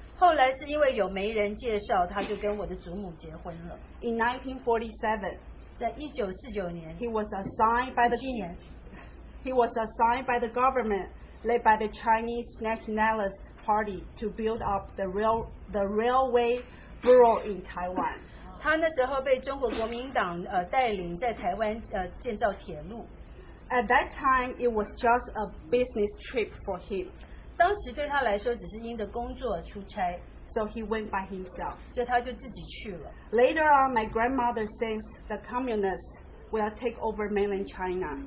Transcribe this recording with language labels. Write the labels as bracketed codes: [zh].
[zh] 后来是因为有媒人介绍, 他就跟我的祖母结婚了。 [en] In 1947, [zh] 在1949年, [en] he was assigned by the government led by the Chinese Nationalist Party to build up the railway bureau in Taiwan. [zh] 他那时候被中国国民党, 带领在台湾, 建造铁路。 [en] At that time, it was just a business trip for him. [zh] 当时对他来说只是因着工作出差, [en] so he went by himself. [zh] 所以他就自己去了。 [en] Later on, my grandmother thinks the communists will take over mainland China.